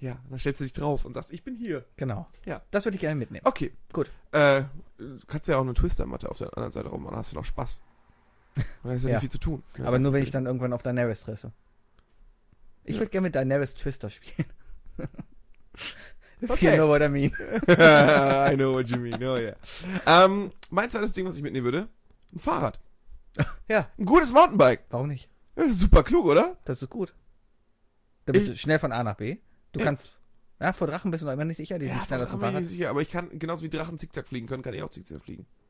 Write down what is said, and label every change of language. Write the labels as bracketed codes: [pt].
[de] Ja, dann stellst du dich drauf und sagst, ich bin hier. Genau. Ja. Das würde ich gerne mitnehmen. Okay. Gut. Du kannst ja auch eine Twister-Matte auf der anderen Seite rum, dann hast du noch Spaß. Da ist ja nicht viel zu tun. Ja, aber nur, wenn ich dann irgendwann auf Daenerys dresse. Ich würde gerne mit Daenerys Twister spielen. [en] Okay. If you know what I mean. I know what you mean, oh yeah. [de] Mein zweites Ding, was ich mitnehmen würde, ein Fahrrad. Ja. Ein gutes Mountainbike. Warum nicht? Das ist super klug, oder? Das ist gut. Da bist du schnell von A nach B. Du kannst, ja, vor Drachen bist du noch immer nicht sicher, die sind schneller zum Fahrrad. Ich bin mir nicht sicher, aber ich kann, genauso wie Drachen zickzack fliegen können, kann ich auch zickzack fliegen.